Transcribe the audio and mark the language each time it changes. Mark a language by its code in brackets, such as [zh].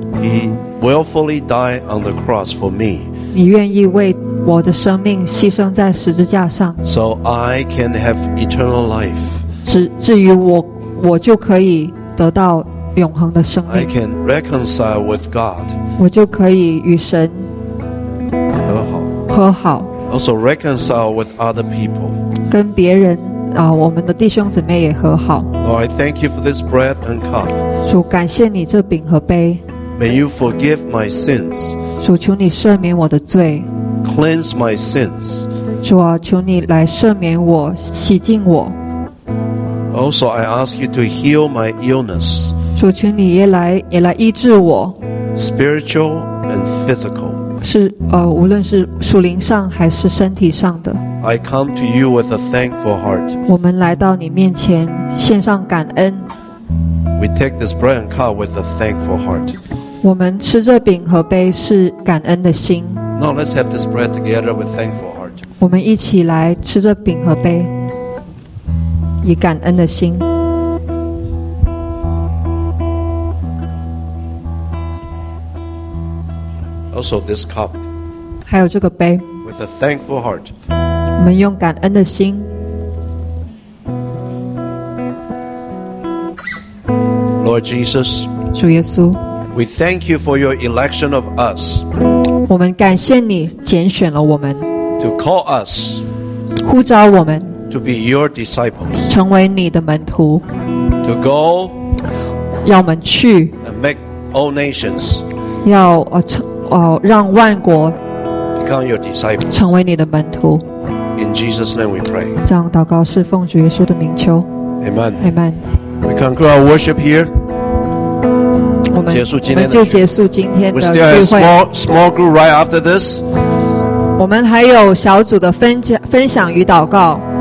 [en] He willfully die on the cross for me. [zh] 你愿意为我的生命牺牲在十字架上。 [en] So I can have eternal life. [zh] 至于我就可以得到永恒的生命。 [en] I can reconcile with God. [zh] 我就可以与神和好。和好。 [en] also reconcile with other people. [zh] 跟别人啊，我们的弟兄姊妹也和好。 [en] Lord, I thank you for this bread and cup. [zh] 主，感谢你这饼和杯。 [en] May you forgive my sins. [zh] 主，求你赦免我的罪。 [en] Cleanse my sins. [zh] 主啊，求你来赦免我，洗净我。 [en] Also, I ask you to heal my illness. [zh] 主，求你也来医治我。 [en] Spiritual and physical. [zh] 是无论是属灵上还是身体上的。 [en] I come to you with a thankful heart. [zh] 我们来到你面前，献上感恩。 [en] We take this bread and cup with a thankful heart. [zh] 我们吃这饼和杯是感恩的心。 [en] Now let's have this bread together with thankful heart. [zh] 我们一起来吃这饼和杯，以感恩的心。 [en] Also this cup. [zh] 还有这个杯。 [en] With a thankful heart. [zh] 我们用感恩的心。 [en] Lord Jesus, [zh] 主耶稣， [en] we thank you for your election of us. [zh] 我们感谢你拣选了我们。 [en] To call us, [zh] 呼召我们。 [en] To be your disciples, [zh] 成为你的门徒。 [en] To go, [zh] 要我们去。 [en] And make all nations, [zh] 要让万国 [en] become your disciples, [zh] 成为你的门徒。 [en] In Jesus' name we pray. [zh] 这样祷告是奉主耶稣的名求。 [en] Amen. [zh] Amen. [en] We conclude our worship here. [zh] 我们就结束今天的聚会。 [en] We still have small group right after this. [zh] 我们还有小组的分享与祷告。